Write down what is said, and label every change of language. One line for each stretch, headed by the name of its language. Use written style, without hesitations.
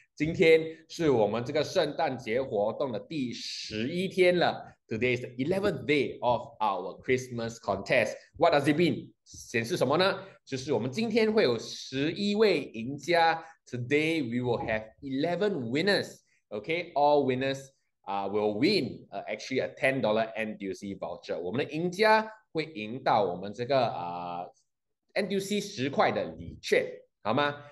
Chinese: 今天是我们这个圣诞节活动的第11天了。
English: Today is the 11th day of our Christmas contest. What does it mean？
Chinese: 显示什么呢？就是我们今天会有11位赢家。
English: Today we will have 11 winners. Okay, all winners. Will win actually a $10 NTUC voucher。
Chinese: 我们的赢家会赢到我们这个NTUC 10块的礼券，好吗？